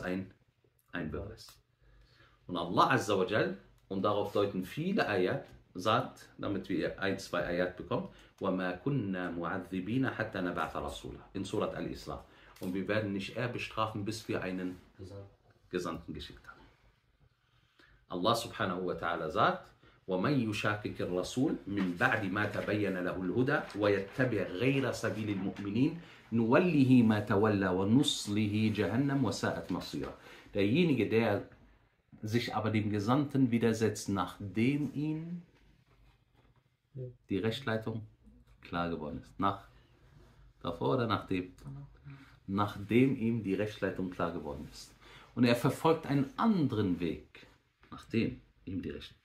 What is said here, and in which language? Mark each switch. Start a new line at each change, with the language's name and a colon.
German: Ein Beweis. Und Allah Azza wa Jal, und darauf deuten viele Ayat, sagt, damit wir ein, zwei Ayat bekommen, وَمَا كُنَّا مُعَذِّبِينَ حَتَّى نَبَعْثَ رَسُولًا in Surat Al-Isra. Und wir werden nicht eher bestrafen, bis wir einen Gesandten geschickt haben.
Arabic: Allah subhanahu wa ta'ala sagt, وَمَنْ يُشَاكِكِ الرَّسُولِ مِنْ بَعْدِ مَا تَبَيَّنَ لَهُ الْهُدَى وَيَتَّبِعْ غَيْرَ سَبِيلِ الْمُؤْمِنِينَ نُوَلِّهِ مَا تَوَلَّى وَنُصْلِهِ جَهَنَّمْ وَسَاءَتْ مَصِيرًا.
German: Derjenige, der sich aber dem Gesandten widersetzt, nachdem ihm die Rechtleitung klar geworden ist. Davor oder nachdem? Nachdem ihm die Rechtleitung klar geworden ist. Und er verfolgt einen anderen Weg, nachdem ihm die Rechtleitung.